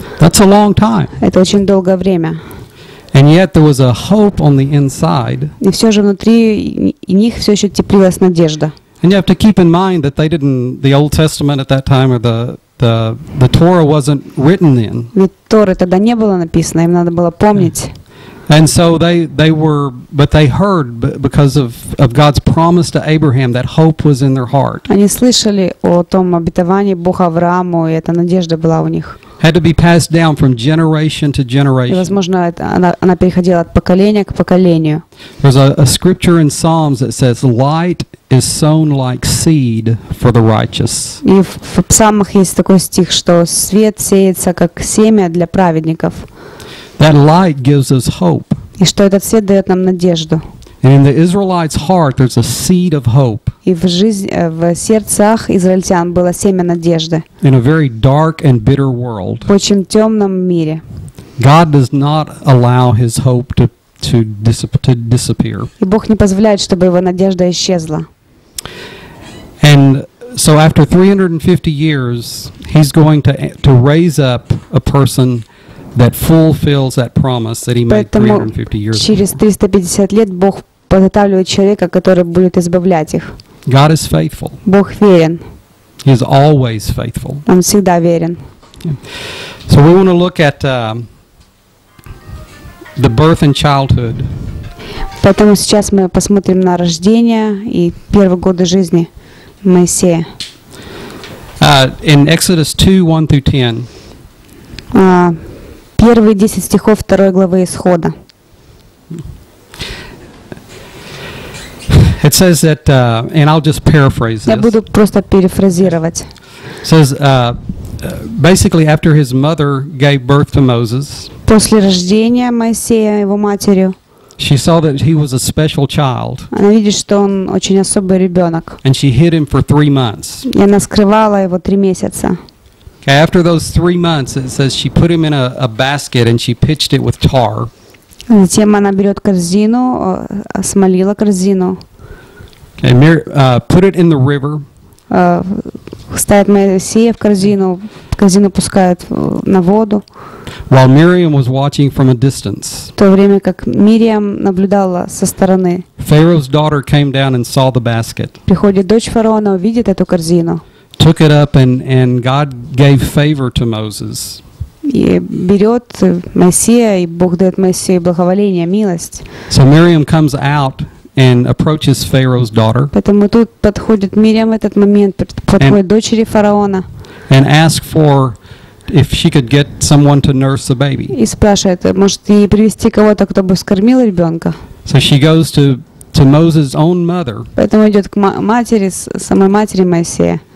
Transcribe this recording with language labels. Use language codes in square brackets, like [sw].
[en] That's a long time. [ru] Это очень долгое время. [en] And yet there was a hope on the inside. [ru] И все же внутри них все еще теплилась надежда. [en] And you have to keep in mind that they didn't the Old Testament at that time or the Torah wasn't written then. [ru] Ведь Торы тогда не было написано, им надо было помнить. [en] And so they were but they heard because of God's promise to Abraham that hope was in their heart. [ru] Они слышали о том обетовании Бога Аврааму, и эта надежда была у них. [en] Had to be passed down from generation to generation. [ru] Возможно, она переходила от поколения к поколению. [en] There's a scripture in Psalms that says light is sown like seed for the righteous. [ru] И в Псалмах есть такой стих, что свет сеется как семя для праведников. [en] That light gives us hope. [ru] И что этот свет дает нам надежду. [en] And in the Israelites' heart, there's a seed of hope. [ru] И в сердцах израильтян было семя надежды. [en] In a very dark and bitter world. [ru] В очень темном мире. [en] God does not allow His hope to disappear. [ru] И Бог не позволяет, чтобы его надежда исчезла. [en] And so, after 350 years, He's going to raise up a person that fulfills that promise that he made 350 years ago. [ru] Через 350 лет Бог подготавливает человека, который будет избавлять их. [en] God is faithful. [ru] Бог верен. [en] He is always faithful. [ru] Он всегда верен. [en] So we want to look at the birth and childhood. [ru] Поэтому сейчас мы посмотрим на рождение и первые годы жизни Моисея. [en] In Exodus 2:1-10. [ru] Первые 10 стихов второй главы Исхода. [en] It says that, and I'll just paraphrase this. [ru] Я буду просто перефразировать. [en] It says, basically, after his mother gave birth to Moses. [ru] После рождения Моисея его матерью. [en] She saw that he was a special child. [ru] Она видит, что он очень особый ребенок. [en] And she hid him for 3 months. [ru] И она скрывала его 3 месяца. [en] Okay, after those 3 months, it says she put him in a basket and she pitched it with tar. [ru] Затем она берет корзину, смолила корзину. [en] Okay, put it in the river. [ru] Ставит Моисея в корзину, корзину пускает на воду. [en] While Miriam was watching from a distance. [ru] В то время как Мириам наблюдала со стороны. [en] Pharaoh's daughter came down and saw the basket. [ru] Приходит дочь фараона, увидит эту корзину. [en] Took it up and God gave favor to Moses. [ru] И берет Моисея, и Бог дает Моисею благоволение, милость. [en] So Miriam comes out and approaches Pharaoh's daughter. [ru] Поэтому тут подходит Мириам в этот момент, подходит дочери фараона. [en] And asks for if she could get someone to nurse the baby. [ru] И спрашивает, может ей привести кого-то, кто бы скормил ребенка. [en] So she goes to Moses' own mother. [ru] Поэтому идет к матери, самой матери Моисея.